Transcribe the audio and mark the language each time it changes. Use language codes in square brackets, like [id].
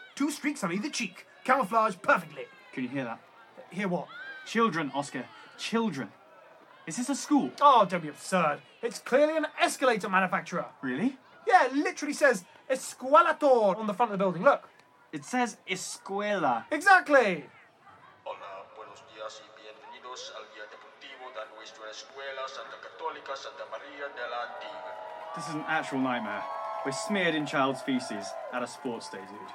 [en] Two streaks on either cheek. Camouflage perfectly. Can you hear that? Hear what? Children, Oscar. Children. Is this a school? Oh, don't be absurd. It's clearly an escalator manufacturer. Really? Yeah, it literally says Escuelator on the front of the building. Look. It says Escuela. Exactly. [es] Hola, buenos días y bienvenidos al día deportivo de nuestra escuela Santa Católica Santa María de la Antigua. [en] This is an actual nightmare. We're smeared in child's feces at a sports day, dude.